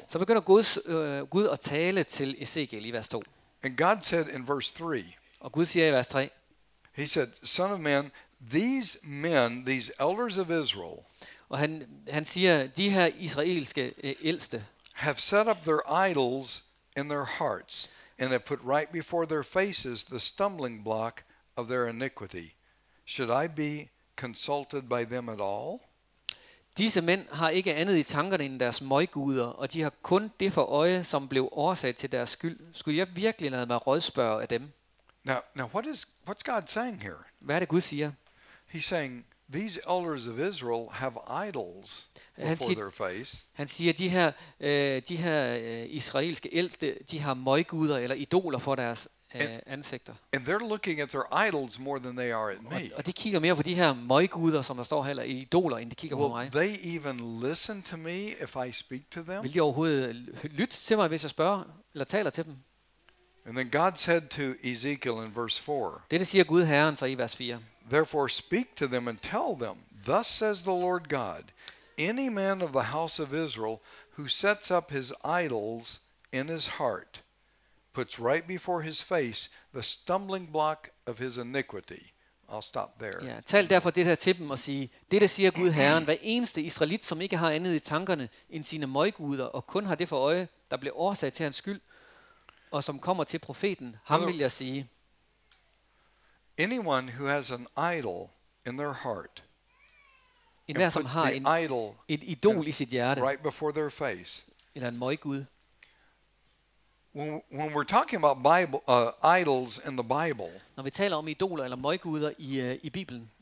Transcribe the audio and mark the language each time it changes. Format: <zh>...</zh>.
<da>Så begynder Gud at tale til Ezekiel i vers 2.</da> <en>And God said in verse 3.</en> <da>Og Gud siger i vers 3.</da> <en>He said, "Son of man, these men, these elders of Israel."</en> <da>Og han siger, de her israelske ældste</da> <en>have set up their idols in their hearts and have put right before their faces the stumbling block of their iniquity. Should I be consulted by them at all?</en> <da>Disse mænd har ikke andet i tankerne end deres møjguder, og de har kun det for øje, som blev årsag til deres skyld. Skulle jeg virkelig lade mig rådspørge af dem?</da> <en>Now what's God saying here?</en> <da>Hvad er det Gud siger?</da> <en>He's saying these elders of Israel have idols before their face.</en> <da>Han siger, de her israelske ældste, de har møjguder eller idoler for deres ansigter.</da> <en>And they're looking at their idols more than they are at me.</en> <da>Og de kigger mere på de her møjguder, som der står her, idoler, end de kigger på mig.</da> <en>Will they even listen to me if I speak to them?</en> <da>Vil de overhovedet lytte til mig, hvis jeg spørger eller taler til dem?</da> <en>And then God said to Ezekiel in verse 4.</en> <da>Det siger Gud Herren så i vers 4.</da> <en>Therefore speak to them and tell them, thus says the Lord God, any man of the house of Israel who sets up his idols in his heart, puts right before his face the stumbling block of his iniquity. I'll stop there.</en> <da>Ja, tal derfor det her til dem og sige, det siger Gud Herren, hver eneste israelit, som ikke har andet i tankerne end sine møjguder og kun har det for øje, der blev årsag til hans skyld, og som kommer til profeten, ham vil jeg sige.</da> <en>Anyone who has an idol in their heart,</en> <da>enhver som har et idol i sit hjerte,</da> <en>right before their face,</en> <da>eller en møjgud.</da> <en>When we're talking about Bible idols in the Bible,</en> <da>når vi taler om idoler eller møjguder i Bibelen,</da>